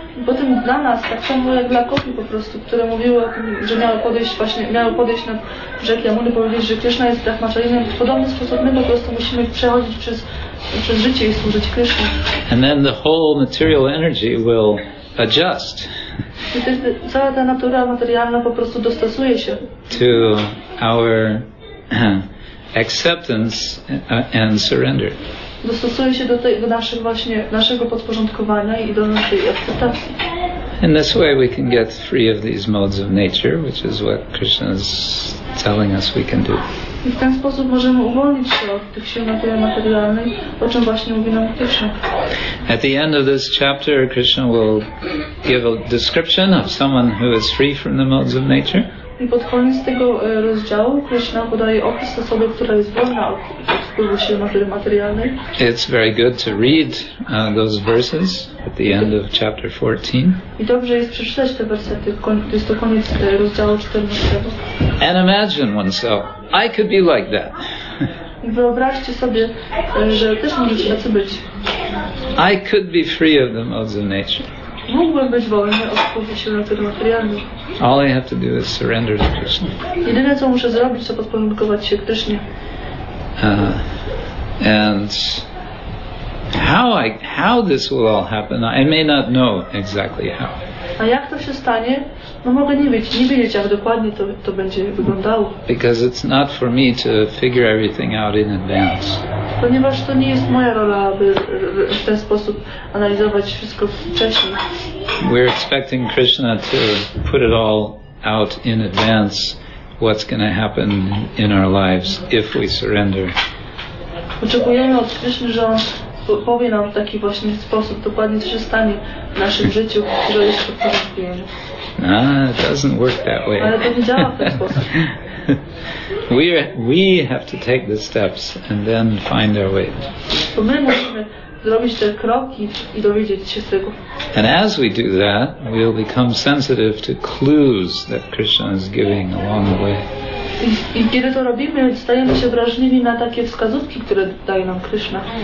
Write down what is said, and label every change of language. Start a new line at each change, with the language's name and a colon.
Polish: Potem dla nas, tak samo jak dla kopi po prostu, które mówiły o tym, że miały podejść na rzekę, one powiedzieć, że Krishna jest brahmacharyjnym, w podobny sposób my po prostu musimy przechodzić przez życie i służyć Krishna.
English: And then the whole material energy will adjust.
Polish: I też cała ta natura materialna po prostu dostosuje się
English: to our acceptance and surrender.
Polish: Dostosuje się do naszych właśnie naszego podporządkowania i do naszej akceptacji.
English: In this way we can get free of these modes of nature, which is what Krishna is telling us we can do.
Polish: I w ten sposób możemy uwolnić się od tych sił natury materialnej, o czym właśnie mówi nam Krishna.
English: At the end of this chapter, Krishna will give a description of someone who is free from the modes of nature.
Polish: I pod koniec tego rozdziału Krishna podaje opis osoby, która jest wolna od wpływu sił natury materialnej.
English: It's very good to read those verses at the end of chapter 14.
Polish: I dobrze jest przeczytać te wersety, to jest to koniec rozdziału 14.
English: And imagine oneself, I could be like that.
Polish: Wyobraźcie sobie, że też możecie tacy być.
English: I could be free of the modes of nature.
Polish: Mógłbym być wolny od wpływu sił natury materialnej.
English: All I have to do is surrender to Krishna.
Polish: Jedyne co muszę zrobić, to podporządkować się Krishnie.
English: And how this will all happen, I may not know exactly how.
Polish: A jak to się stanie? No mogę nie wiedzieć, jak dokładnie to będzie wyglądało.
English: Because it's not for me to figure everything out in advance.
Polish: Ponieważ to nie jest moja rola, aby w ten sposób analizować wszystko wcześniej.
English: We're expecting Krishna to put it all out in advance, what's going to happen in our lives if we surrender.
Polish: Oczekujemy od Krishny, że on powie nam w taki właśnie sposób, dokładnie co się stanie w naszym życiu, które jest pod porozumieniem.
English: It doesn't work that way.
Polish: Ale to nie działa w ten sposób.
English: We have to take the steps and then find our way.
Polish: Bo my musimy zrobić te kroki i dowiedzieć się tego.
English: And as we do that, we'll become sensitive to clues that Krishna is giving along the way.
Polish: I kiedy to robimy, stajemy się wrażliwi na takie wskazówki, które daje nam Krishna.